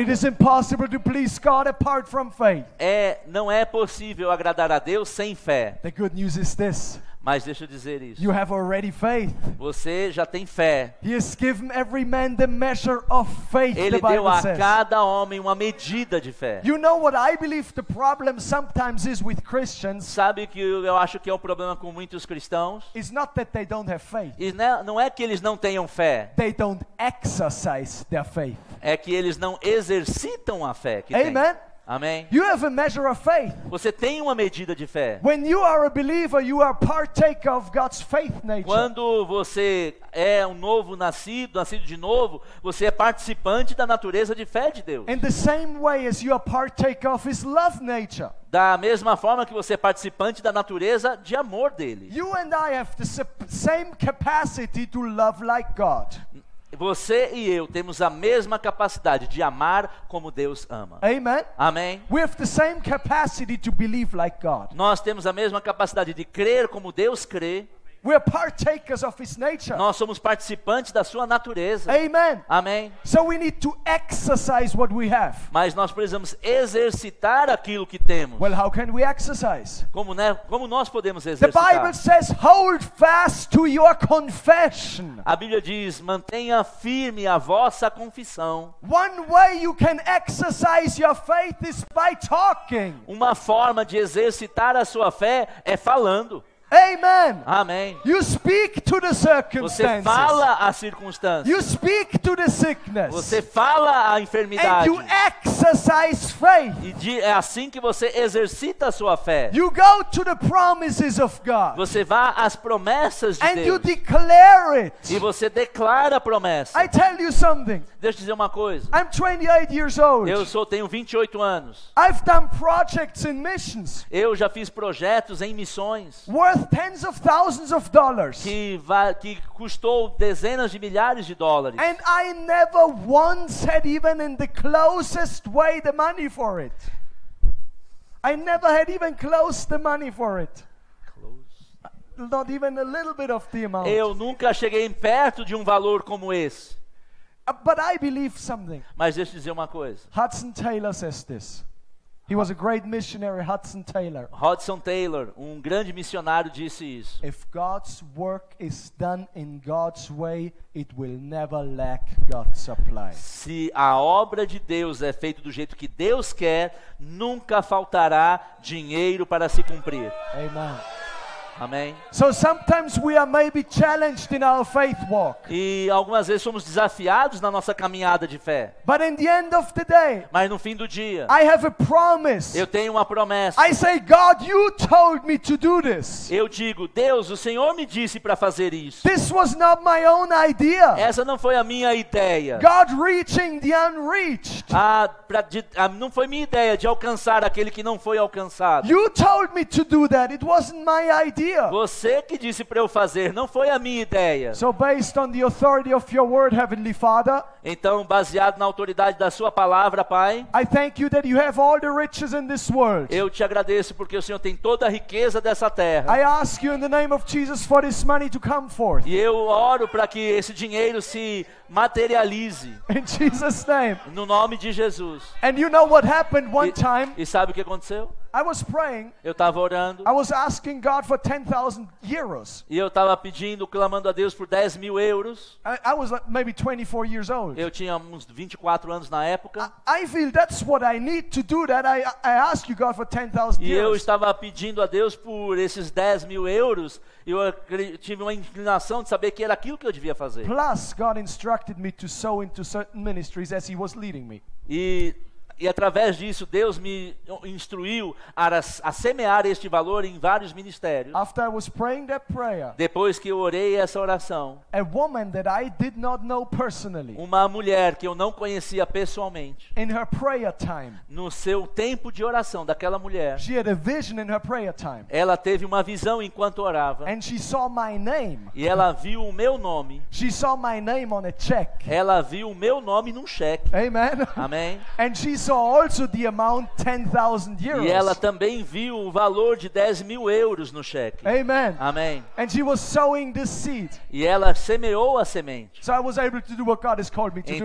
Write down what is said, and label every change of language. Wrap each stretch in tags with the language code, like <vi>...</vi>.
<en>It is impossible to please God apart from faith.</en> <pt>Não é possível agradar a Deus sem fé.</pt> <en>The good news is this.</en> <pt>Mas deixa eu dizer isso.</pt> <en>You have already faith.</en> <pt>Você já tem fé.</pt> <en>He has given every man the measure of faith.</en> <pt>Ele</pt> <en>the Bible</en> <pt>deu a</pt> <en>says.</en> <pt>Cada homem uma medida de fé.</pt> <en>You know what I believe the problem sometimes is with Christians?</en> <pt>Sabe que eu acho que é um problema com muitos cristãos?</pt> <en>It's not that they don't have faith.</en> <pt>Não é que eles não tenham fé.</pt> <en>They don't exercise their faith.</en> <pt>É que eles não exercitam a fé que</pt> <en>Amen.</en> <pt>Têm. Amém.</pt> <en>You have a measure of faith.</en> <pt>Você tem uma medida de fé.</pt> <en>When you are a believer, you are partaker of God's faith nature.</en> <pt>Quando você é um novo nascido, nascido de novo, você é participante da natureza de fé de Deus.</pt> <en>In the same way as you are partaker of His love nature.</en> <pt>Da mesma forma que você é participante da natureza de amor dele.</pt> <en>You and I have the same capacity to love like God.</en> <pt>Você e eu temos a mesma capacidade de amar como Deus ama.</pt> <en>Amen.</en> <pt>Amém.</pt> <en>We have the same capacity to believe like God.</en> <pt>Nós temos a mesma capacidade de crer como Deus crê.</pt> <en>We are partakers of His nature.</en> <pt>Nós somos participantes da sua natureza.</pt> <en>Amen.</en> <pt>Amém.</pt> <en>So we need to exercise what we have.</en> <pt>Mas nós precisamos exercitar aquilo que temos.</pt> <en>Well, how can we exercise?</en> <pt>Como, né? Como nós podemos exercitar?</pt> <en>The Bible says, hold fast to your confession.</en> <pt>A Bíblia diz, mantenha firme a vossa confissão.</pt> <en>One way you can exercise your faith is by talking.</en> <pt>Uma forma de exercitar a sua fé é falando.</pt> <en>Amen.</en> <pt>Amém.</pt> <en>You speak to the circumstances.</en> <pt>Você fala à circunstância.</pt> <en>You speak to the sickness.</en> <pt>Você fala à enfermidade.</pt> <en>And you exercise faith.</en> <pt>É assim que você exercita a sua fé.</pt> <en>You go to the promises of God.</en> <pt>Você vá às promessas de</pt> <en>And</en> <pt>Deus.</pt> <en>You declare it.</en> <pt>E você declara a promessa.</pt> <en>I tell you something.</en> <pt>Deixa eu dizer uma coisa.</pt> <en>I'm 28 years old.</en> <pt>Eu tenho 28 anos.</pt> <en>I've done projects in missions.</en> <pt>Eu já fiz projetos em missões.</pt> <en>Worth tens of thousands of dollars.</en> <pt>Que custou dezenas de milhares de dólares.</pt> <en>And I never once had even in the closest way the money for it. I never had even close the money for it. Close. Not even a little bit of the amount.</en> <pt>Eu nunca cheguei perto de um valor como esse.</pt> <en>But I believe something.</en> <pt>Mas deixa eu dizer uma coisa.</pt> <en>Hudson Taylor says this. He was a great missionary, Hudson Taylor.</en> <pt>Hudson Taylor, um grande missionário, disse isso.</pt> <en>If God's work is done in God's way, it will never lack God's supply.</en> <pt>Se a obra de Deus é feita do jeito que Deus quer, nunca faltará dinheiro para se cumprir.</pt> <en>Amen.</en> <pt>Amém.</pt> <en>So sometimes we are maybe challenged in our faith walk.</en> <pt>E algumas vezes somos desafiados na nossa caminhada de fé.</pt> <en>But in the end of the day,</en> <pt>mas no fim do dia,</pt> <en>I have a promise.</en> <pt>Eu tenho uma promessa.</pt> <en>I say, God, you told me to do this.</en> <pt>Eu digo, Deus, o Senhor me disse para fazer isso.</pt> <en>This was not my own idea.</en> <pt>Essa não foi a minha ideia.</pt> <en>God reaching the unreached.</en> <pt>Não foi minha ideia de alcançar aquele que não foi alcançado.</pt> <en>You told me to do that. It wasn't my idea.</en> <pt>Você que disse para eu fazer, não foi a minha ideia.</pt> <en>So based on the authority of your word, Heavenly Father,</en> <pt>então, baseado na autoridade da sua palavra, Pai,</pt> <en>I thank you that you have all the riches in this world.</en> <pt>Eu te agradeço porque o Senhor tem toda a riqueza dessa terra.</pt> <en>I ask you in the name of Jesus for this money to come forth.</en> <pt>E eu oro para que esse dinheiro se materialize.</pt> <en>In Jesus name.</en> <pt>No nome de Jesus.</pt> <en>And you know what happened one time?</en> <pt>E sabe o que aconteceu?</pt> <en>I was praying.</en> <pt>Eu estava orando.</pt> <en>I was asking God for 10,000 euros.</en> <pt>E eu estava pedindo, clamando a Deus por 10 mil euros.</pt> <en>I was like maybe 24 years old.</en> <pt>Eu tinha uns 24 anos na época.</pt> <en>I feel that's what I need to do. That I ask you God for 10,000 euros.</en> <pt>E eu estava pedindo a Deus por esses 10 mil euros. Eu tive uma inclinação de saber que era aquilo que eu devia fazer.</pt> <en>Plus, God instructed me to sow into certain ministries as He was leading me.</en> <pt>E através disso, Deus me instruiu a semear este valor em vários ministérios.</pt> <en>After I was praying that prayer,</en> <pt>depois que eu orei essa oração,</pt> <en>a woman that I did not know personally,</en> <pt>uma mulher que eu não conhecia pessoalmente,</pt> <en>in her prayer time,</en> <pt>no seu tempo de oração daquela mulher,</pt> <en>she had a vision in her prayer time,</en> <pt>ela teve uma visão enquanto orava,</pt> <en>and she saw my name,</en> <pt>e ela viu o meu nome,</pt> <en>she saw my name on a check,</en> <pt>ela viu o meu nome num cheque.</pt> <en>Amen.</en> <pt>Amém.</pt> <en>And she saw also the amount 10,000 euros.</en> <pt>E ela também viu o valor de 10 mil euros no cheque.</pt> <en>Amen.</en> <pt>Amém.</pt> <en>And she was sowing the seed.</en> <pt>E ela semeou a semente.</pt> <en>So I was able to do what God has called me to do.</en>